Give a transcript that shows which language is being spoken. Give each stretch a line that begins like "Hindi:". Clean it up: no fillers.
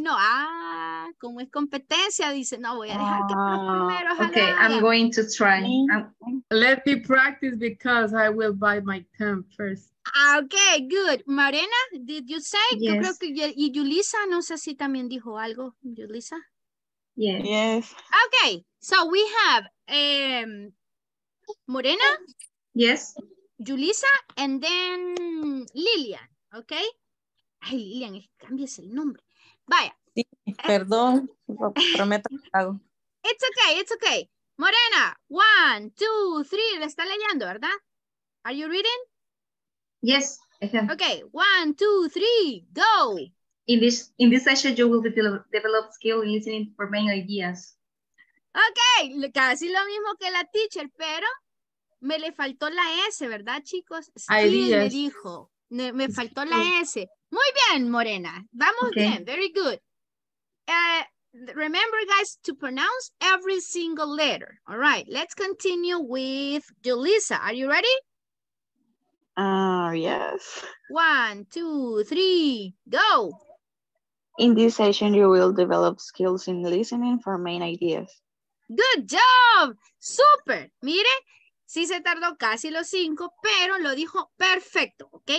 Spanish: Ah, como es competencia, dice, no, voy a dejar que los primeros.
English: Okay, I'm going to try. Let me practice because I will buy my time first. Okay, good. Marina, did you say? Yes.
Spanish: Yo creo que y Yulisa, no sé si también dijo algo, Yulisa.
English: Yes. Okay, so we have Morena. Yes. Yulisa, and then Lilian, okay?
Spanish: Ay, Lilian, cámbiese el nombre. Vaya. Sí, perdón, prometo que hago.
English: It's okay, it's okay.
Spanish: Morena,
English: one, two, three,
Spanish: le está leyendo, ¿verdad?
English: Are you reading? Yes. Okay, one, two, three, go. In this session, you will develop skill in listening for main ideas.
Spanish: Okay, casi lo mismo que la teacher, pero me le faltó la S, ¿verdad, chicos? Sí, me dijo. Me faltó la S. Muy bien, Morena. Vamos bien.
English: Very good. Remember, guys, to pronounce every single letter. All right. Let's continue with Julissa. Are you ready? Yes. One, two, three, go. In this session, you will develop skills in listening for main ideas. Good job. Super.
Spanish: Mire. Sí se tardó casi los 5, pero lo dijo perfecto, ¿ok?